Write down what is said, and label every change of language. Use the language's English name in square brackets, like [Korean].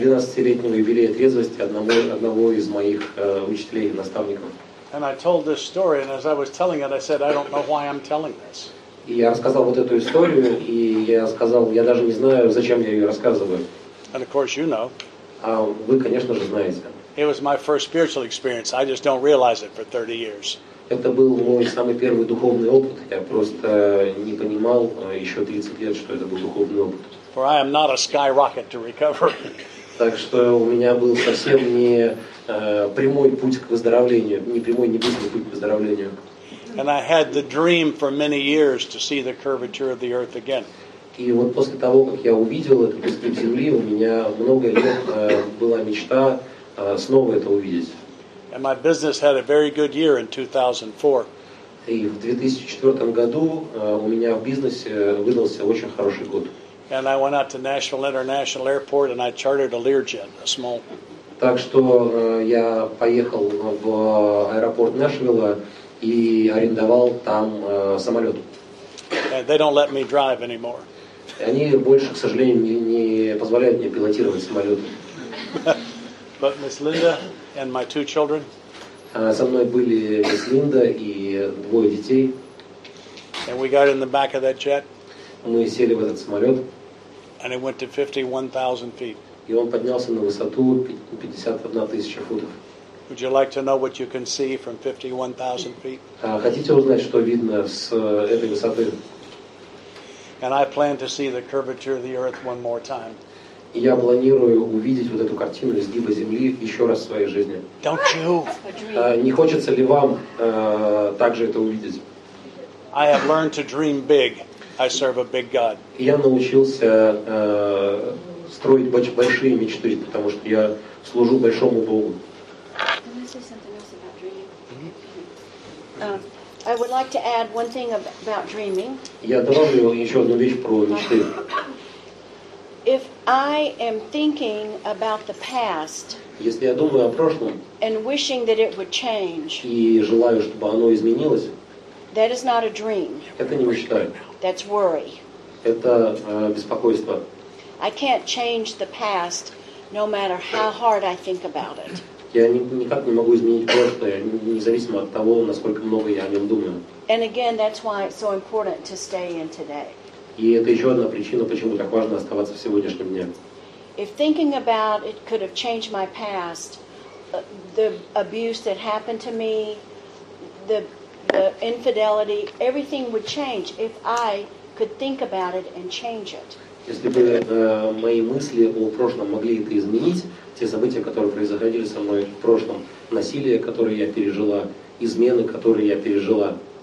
[Russian] 12-летнего юбилея трезвости одного из моих учителей, наставников. [English] And I told this story, and as I was telling it, I said, I don't know why I'm telling this. [Russian] И я рассказал вот эту историю, и я сказал, я даже не знаю, зачем я ее рассказываю. [English] And of course you know. [Russian] А вы, конечно же, знаете. [English] It was my first spiritual experience. I just don't realize it for 30 years. [Russian] Это был мой самый первый духовный опыт. Я просто не понимал еще 30 лет, что это был духовный опыт. [English] For I am not a skyrocket to recover. [Russian] Так что у меня был совсем не прямой путь к выздоровлению, не прямой, не близкий путь к выздоровлению. [English] And I had the dream for many years to see the curvature of the earth again. [Russian] И вот после того, как я увидел этот изгиб земли, у меня много лет была мечта снова это увидеть. [English] And my business had a very good year in 2004. [Russian] И в 2004 году у меня в бизнесе выдался очень хороший год. [English] And I went out to Nashville International Airport and I chartered a Learjet, a small. [Russian] Так что я поехал в аэропорт Нэшвилла и арендовал там самолет. [English] And they don't let me drive anymore. [Russian] Они больше, к сожалению, не позволяют мне пилотировать самолет. [English] But Miss Linda and my two children. [Russian] Со мной были мисс Линда и двое детей. [English] And we got in the back of that jet. [Russian] Мы сели в этот самолет. [English] And it went to 51,000 feet. [Russian] И он поднялся на высоту 51,000 футов. [English] Would you like to know what you can see from 51,000 feet? [Russian] Хотите узнать, что видно с этой высоты? [English] And I plan to see the curvature of the earth one more time. [Russian] Я планирую увидеть вот эту картину изгиба земли еще раз в своей жизни. [English] Don't you? [Russian] Не хочется ли вам также это увидеть? [English] I have learned to dream big. I serve a big God. [Russian] Я научился строить большие мечты, потому что я служу большому Богу. [English] I would like to add one thing about dreaming. [Russian] Я добавлю еще одну вещь про мечты. [English] If I am thinking about the past, [Russian] если я думаю о прошлом, [English] and wishing that it would change, [Russian] и желаю, чтобы оно изменилось, [English] that is not a dream. [Russian] Это не мечта. [English] That's worry. [Russian] Это беспокойство. [English] I can't change the past, no matter how hard I think about it. [Russian] Я никак не могу изменить прошлое, независимо от того, насколько много я о нем думаю. [English] And again, that's why it's so important to stay in today. [Russian] И это еще одна причина, почему так важно оставаться в сегодняшнем дне. [English] If thinking about it could have changed my past, the abuse that happened to me, the infidelity, everything would change if I could think about it and change it. [Russian] Если бы мои мысли о прошлом могли это изменить, те события, которые происходили со мной в прошлом, насилие, которое я пережила, измены, которые я пережила.